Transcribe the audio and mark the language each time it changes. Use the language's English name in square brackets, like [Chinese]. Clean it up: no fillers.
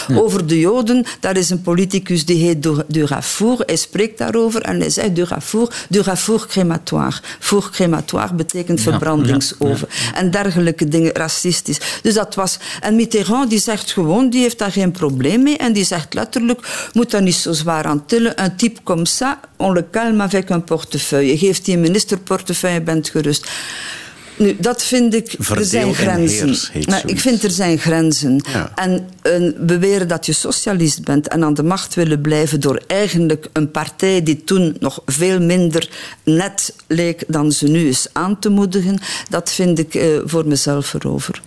[Dutch] Over de Joden, daar is een politicus die heet Durafour. Hij spreekt daarover en hij zegt Durafour crématoire. Four crématoire betekent verbrandingsoven. En dergelijke dingen, racistisch. Dus dat was... En Mitterrand die zegt gewoon, die heeft daar geen probleem mee en die zegt letterlijk, moet dat niet zo zwaar aan tillen. [French] Un type comme ça, on le calme avec un portefeuille. [Dutch] Je geeft die een ministerportefeuille, bent gerust. Nu, dat vind ik... Verdeel er zijn grenzen. Maar ik vind er zijn grenzen. Ja. En beweren dat je socialist bent en aan de macht willen blijven door eigenlijk een partij die toen nog veel minder net leek dan ze nu is aan te moedigen, dat vind ik voor mezelf erover.